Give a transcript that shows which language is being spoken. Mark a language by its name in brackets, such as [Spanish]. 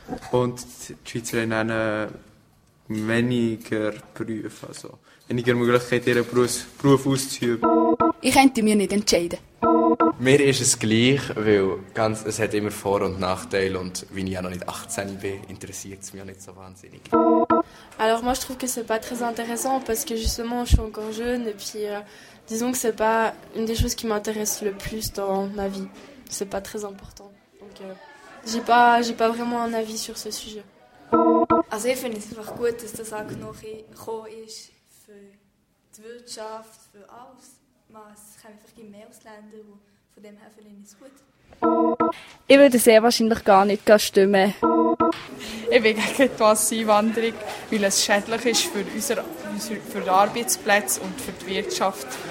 [German] Und die Schweizer haben dann weniger Berufe. Also weniger Möglichkeit, ihren Beruf auszuüben. Ich könnte mir nicht entscheiden. Mir ist es gleich, weil es hat immer Vor- und Nachteile. Und wenn ich ja noch nicht 18 bin, interessiert es mich auch nicht so wahnsinnig. [French] Alors moi je trouve que c'est pas très intéressant parce que justement je suis encore jeune et puis disons que c'est pas une des choses qui m'intéresse le plus dans ma vie. C'est pas très important. Donc j'ai pas vraiment un avis sur ce sujet. [German] Also ich finde es einfach gut, dass das auch noch gekommen ist für die Wirtschaft, für alles. Es kommen einfach mehr Ausländer, die von dem her finde ich es gut. Ich würde sehr wahrscheinlich gar nicht stimmen. Ich bin gegen die Asylwanderung, weil es schädlich ist für die Arbeitsplätze und für die Wirtschaft.